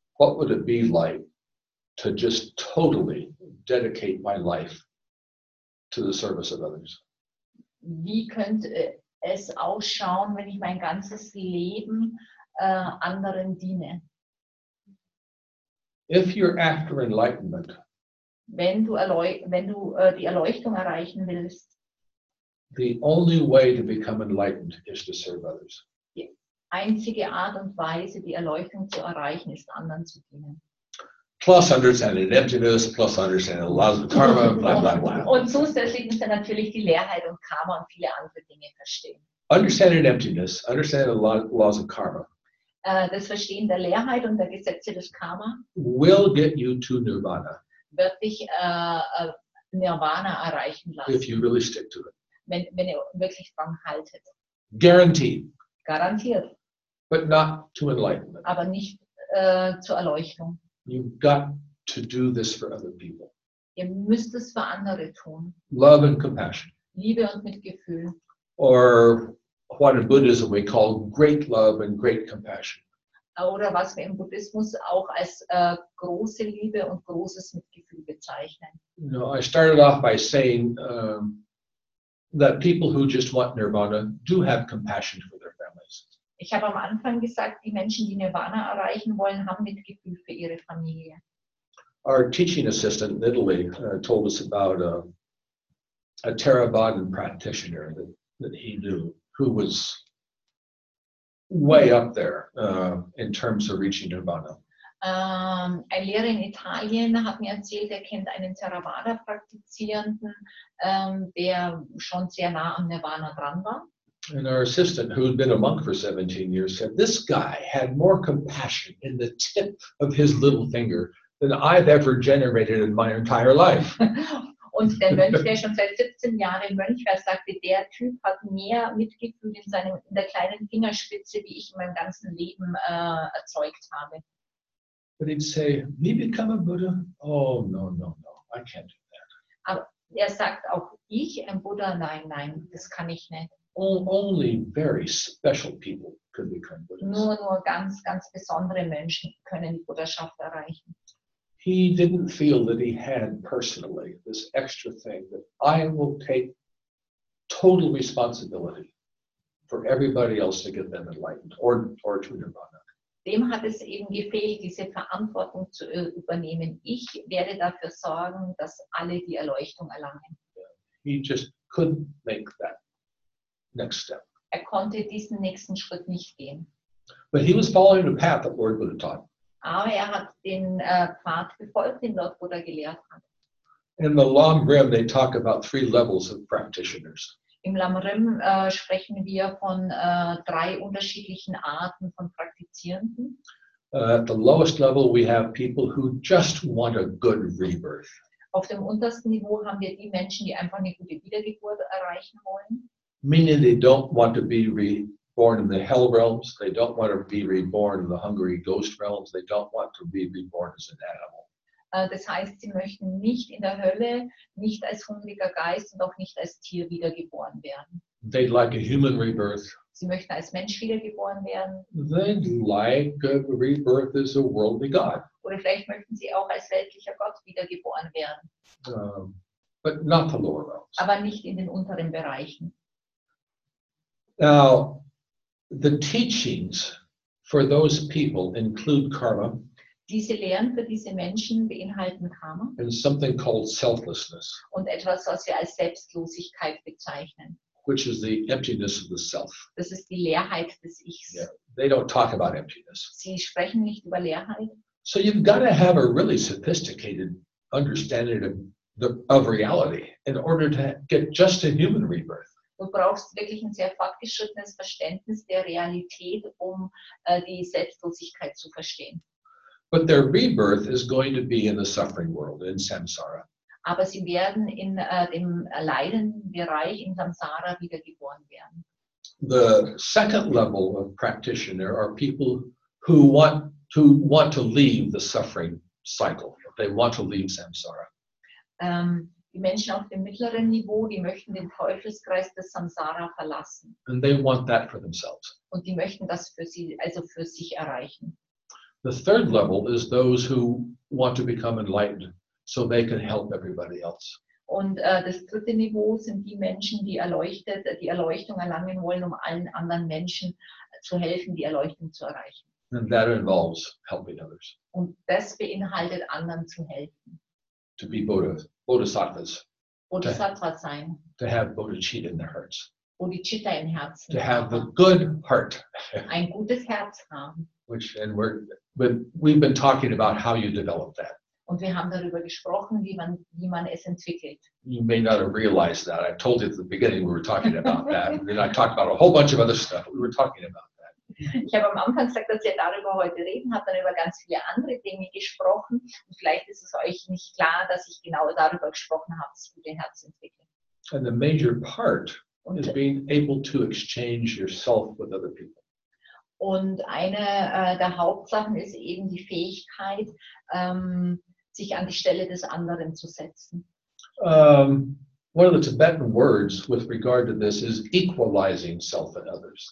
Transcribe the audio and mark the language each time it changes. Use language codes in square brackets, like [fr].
[en] What would it be like to just totally dedicate my life to the service of others? [de] Wie könnte es ausschauen, wenn ich mein ganzes Leben anderen diene? [en] If you're after enlightenment, [de] wenn du die Erleuchtung erreichen willst, [en] the only way to become enlightened is to serve others. [de] Die einzige Art und Weise, die Erleuchtung zu erreichen, ist anderen zu dienen. [en] Plus understanding emptiness, plus understanding laws of karma, blah, blah, blah. [de] Und zusätzlich muss er natürlich die Leerheit und Karma und viele andere Dinge verstehen. [en] Understanding emptiness, understanding the laws of karma. [de] Das Verstehen der Leerheit und der Gesetze des Karma [en] will get you to Nirvana. [de] Wird dich Nirvana erreichen lassen. [en] If you really stick to it. [de] Wenn ihr wirklich dran haltet. [en] Guaranteed. [de] Garantiert. [en] But not to enlightenment. [de] Aber nicht zur Erleuchtung. [en] You've got to do this for other people. [de] Ihr müsst es für andere tun. [en] Love and compassion. [de] Liebe und Mitgefühl. [en] Or what in Buddhism we call great love and great compassion. [de] Oder was wir im Buddhismus auch als große Liebe und großes Mitgefühl bezeichnen. [en] No, I started off by saying that people who just want Nirvana do have compassion for their families. [de] Ich habe am Anfang gesagt, die Menschen, die Nirvana erreichen wollen, haben Mitgefühl für ihre Familie. [en] Our teaching assistant in Italy told us about a Theravadan practitioner that he knew, who was way up there in terms of reaching Nirvana. [de] Ein Lehrer in Italien hat mir erzählt, er kennt einen Theravada-Praktizierenden, der schon sehr nah am Nirvana dran war. [en] And our assistant, who had been a monk for 17 years, said, this guy had more compassion in the tip of his little finger than I've ever generated in my entire life. [de] Und der Mönch, der schon seit 17 Jahren Mönch war, sagte, der Typ hat mehr Mitgefühl in der kleinen Fingerspitze, wie ich in meinem ganzen Leben erzeugt habe. [en] But he'd say, me become a Buddha? Oh, no, I can't do that. [de] Aber er sagt, auch ich ein Buddha? Nein, das kann ich nicht. [en] Only very special people can become Buddhists. [de] Nur ganz, ganz besondere Menschen können die Buddhaschaft erreichen. [en] He didn't feel that he had personally this extra thing that I will take total responsibility for everybody else to get them enlightened or to Nirvana. [de] Dem hat es eben gefehlt, diese Verantwortung zu übernehmen. Ich werde dafür sorgen, dass alle die Erleuchtung erlangen. [en] Yeah. He just couldn't make that. Next step. [de] Er konnte diesen nächsten Schritt nicht gehen. [en] But he was following the path that Lord Buddha taught. [de] Aber er hat den Pfad befolgt, den Lord Buddha gelehrt hat. [en] In the Lam Rim, they talk about three levels of practitioners. [de] Im Lam Rim sprechen wir von drei unterschiedlichen Arten von Praktizierenden. [en] At the lowest level, we have people who just want a good rebirth. [de] Auf dem untersten Niveau haben wir die Menschen, die einfach eine gute Wiedergeburt erreichen wollen. [en] Meaning they don't want to be reborn in the hell realms. They don't want to be reborn in the hungry ghost realms. They don't want to be reborn as an animal. [de] Das heißt, sie möchten nicht in der Hölle, nicht als hungriger Geist und auch nicht als Tier wiedergeboren werden. [en] They'd like a human rebirth. [de] Sie möchten als Mensch wiedergeboren werden. [en] They'd like a rebirth as a worldly god. [de] Oder vielleicht möchten sie auch als weltlicher Gott wiedergeboren werden. [en] But not the lower realms. [de] Aber nicht in den unteren Bereichen. [en] Now, the teachings for those people include karma. [de] Diese Lehren für diese Menschen beinhalten Karma. [en] And something called selflessness. [de] Und etwas, was wir als Selbstlosigkeit bezeichnen. [en] Which is the emptiness of the self. [de] Das ist die Leerheit des Ichs. [en] Yeah. They don't talk about emptiness. [de] Sie sprechen nicht über Leerheit. [en] So you've got to have a really sophisticated understanding of reality in order to get just a human rebirth. [de] Du brauchst wirklich ein sehr fortgeschrittenes Verständnis der Realität, um die Selbstlosigkeit zu verstehen. [en] But their rebirth is going to be in the suffering world, in Samsara. [de] Aber sie werden in dem leidenden Bereich in Samsara wiedergeboren werden. [en] The second level of practitioner are people who want to leave the suffering cycle. They want to leave Samsara. [de] Die Menschen auf dem mittleren Niveau, die möchten den Teufelskreis des Samsara verlassen. [en] And they want that for themselves. [de] Und die möchten das für sie, also für sich erreichen. [en] The third level is those who want to become enlightened so they can help everybody else. [de] Und das dritte Niveau sind die Menschen, die erleuchtet, die Erleuchtung erlangen wollen, um allen anderen Menschen zu helfen, die Erleuchtung zu erreichen. [en] And that involves helping others. [de] Und das beinhaltet anderen zu helfen. [en] To be Bodhisattvas. [de] Bodhisattva sein. [en] To have bodhicitta in their hearts. [de] Bodhicitta im Herzen. [en] To have the good heart. [de] Ein gutes Herz haben. [en] We've been talking about how you develop that. [de] Und wir haben darüber gesprochen, wie man es entwickelt. [en] You may not have realized that. I told you at the beginning we were talking about that. And then I talked about a whole bunch of other stuff. We were talking about that. [de] Ich habe am Anfang gesagt, dass ihr darüber heute reden, habe dann über ganz viele andere Dinge gesprochen. Und vielleicht ist es euch nicht klar, dass ich genau darüber gesprochen habe, das gute Herz entwickeln. [en] And the major part is being able to exchange yourself with other people. [de] Und eine der Hauptsachen ist eben die Fähigkeit, sich an die Stelle des anderen zu setzen. [en] One of the Tibetan words with regard to this is equalizing self and others.